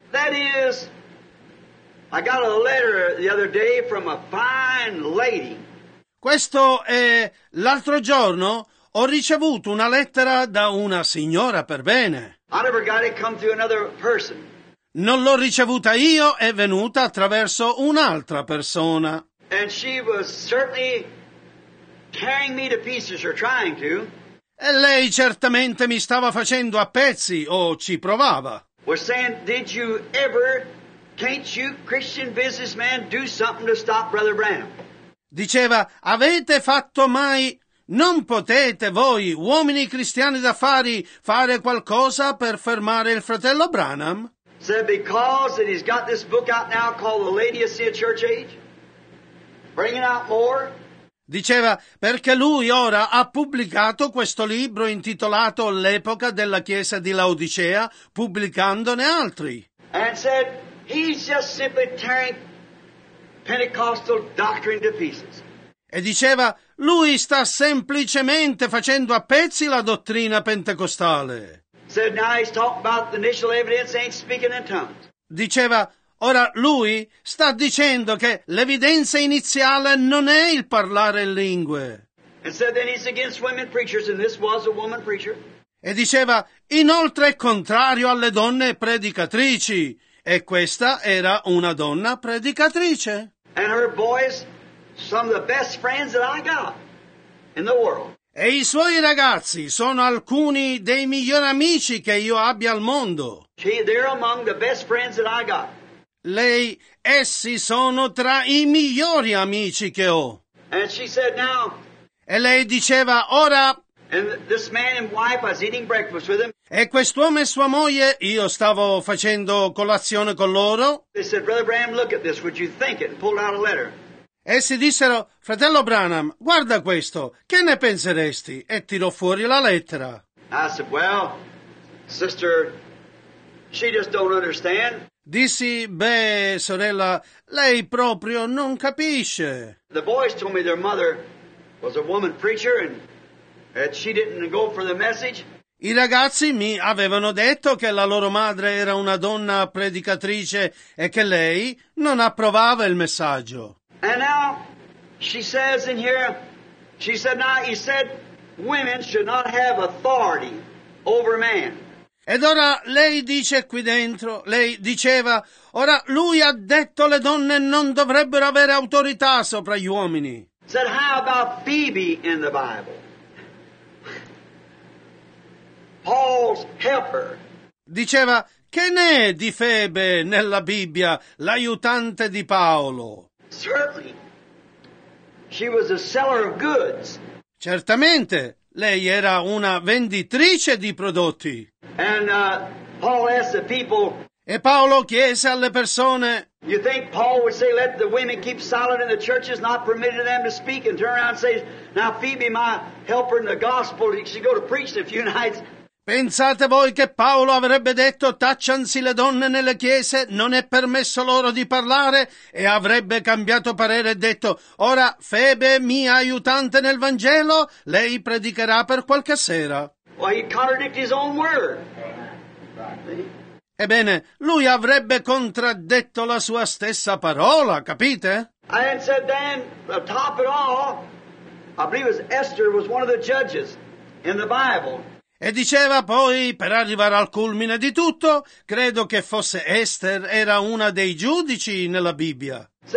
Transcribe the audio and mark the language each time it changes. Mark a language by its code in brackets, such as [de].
[en] That is, I got a letter the other day from a fine lady. [it] Questo è, l'altro giorno ho ricevuto una lettera da una signora per bene. [en] I never got it come through another person. [it] Non l'ho ricevuta io, è venuta attraverso un'altra persona. [en] And she was certainly tearing me to pieces, or trying to. [it] E lei certamente mi stava facendo a pezzi, o ci provava. [en] Was saying, did you ever, can't you, Christian businessman, do something to stop Brother Branham? [it] Diceva, avete fatto mai, non potete voi, uomini cristiani d'affari, fare qualcosa per fermare il fratello Branham? [en] Said because that he's got this book out now called The Laodicea Church Age, bringing out more. [it] Diceva perché lui ora ha pubblicato questo libro intitolato L'epoca della Chiesa di Laodicea, pubblicandone altri. [en] And said he's just simply tearing Pentecostal doctrine to pieces. [it] E diceva lui sta semplicemente facendo a pezzi la dottrina pentecostale. [en] Said now he's talking about the initial evidence ain't speaking in tongues. [it] Diceva, ora lui sta dicendo che l'evidenza iniziale non è il parlare in lingue. [en] And said then he's against women preachers, and this was a woman preacher. [it] E diceva, inoltre è contrario alle donne predicatrici. E questa era una donna predicatrice. [en] And her boys, some of the best friends that I got in the world. [it] E i suoi ragazzi sono alcuni dei migliori amici che io abbia al mondo. [en] They're among the best friends that I got. [it] Lei, essi sono tra i migliori amici che ho. [en] And she said, now, [it] e lei diceva, ora... [en] And this man and wife, I was eating breakfast with him. [it] E quest'uomo e sua moglie, io stavo facendo colazione con loro. [en] They said, Brother Branham, look at this, would you think it? And pulled out a letter. [it] Essi dissero, fratello Branham, guarda questo, che ne penseresti? E tirò fuori la lettera. [en] I said, well, sister, she just don't understand. [it] Dissi, beh, sorella, lei proprio non capisce. [en] The boys told me their mother was a woman preacher and that she didn't go for the message. [it] I ragazzi mi avevano detto che la loro madre era una donna predicatrice e che lei non approvava il messaggio. [en] And now she says in here, she said, now he said women should not have authority over man. [it] Ed ora lei dice qui dentro, lei diceva, ora lui ha detto le donne non dovrebbero avere autorità sopra gli uomini. [en] Said, how about Phoebe in the Bible? Paul's helper. [it] Diceva, che ne è di Febe nella Bibbia, l'aiutante di Paolo? [en] Certainly. She was a seller of goods. [it] Certamente, lei era una venditrice di prodotti. [en] And Paul asked the people. [it] E Paolo chiese alle persone. [en] You think Paul would say, let the women keep silent in the churches, not permitting them to speak, and turn around and say, now Phoebe, my helper in the gospel, she go to preach a few nights. [it] Pensate voi che Paolo avrebbe detto, taccianzi le donne nelle chiese, non è permesso loro di parlare, e avrebbe cambiato parere e detto, ora Febe, mia aiutante nel Vangelo, lei predicherà per qualche sera. [en] Well, he contradicted his own word. [it] Ebbene, lui avrebbe contraddetto la sua stessa parola, capite? [en] And said then, top it all, I believe it was Esther was one of the judges in the Bible. [it] E diceva poi, per arrivare al culmine di tutto, credo che fosse Esther, era una dei giudici nella Bibbia.